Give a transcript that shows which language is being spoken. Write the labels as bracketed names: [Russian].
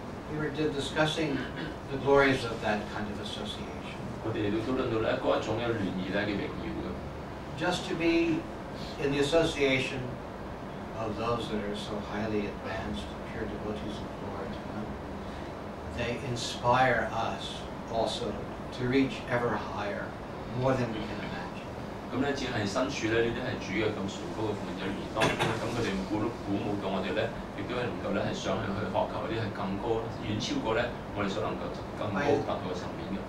[English] We were just discussing the glories of that kind of association. [Cantonese] 我哋亦都討論到咧嗰一種嘅聯誼咧嘅榮耀嘅。 [English] Just to be in the association of those that are so highly advanced, pure devotees of the Lord, they inspire us also to reach ever higher, more than we can imagine. [Cantonese] 咁咧，只係身處咧呢啲係主嘅咁崇高嘅奉獻者，而當咁佢哋鼓勵鼓舞嘅我哋咧，亦都係能夠咧係上去去學習嗰啲係更高，遠超過咧我哋所能夠更高達到嘅層面嘅。